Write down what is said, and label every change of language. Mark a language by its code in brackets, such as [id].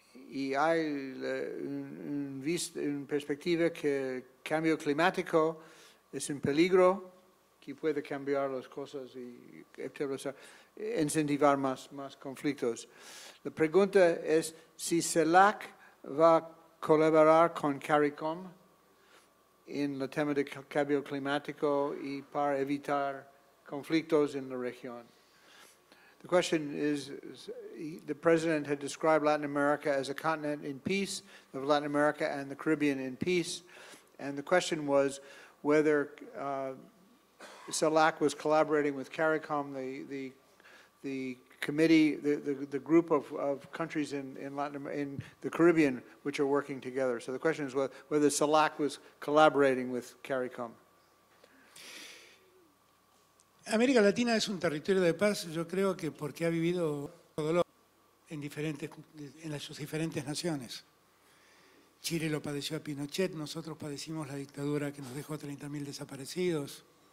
[es] Y hay una perspectiva que el cambio climático es un peligro que puede cambiar las cosas y incentivar más conflictos. La pregunta es si CELAC va a colaborar con CARICOM en el tema del cambio climático y para evitar conflictos en la región. [en] The question is, the president had described Latin America as a continent in peace, of Latin America and the Caribbean in peace, and the question was whether CELAC was collaborating with CARICOM, the committee, the group of countries in Latin America, in the Caribbean, which are working together. So the question is whether CELAC was collaborating with CARICOM. [es] América Latina es un territorio de paz, yo creo que porque ha vivido dolor en sus diferentes naciones. Chile lo padeció a Pinochet, nosotros padecimos la dictadura que nos dejó 30.000 desaparecidos.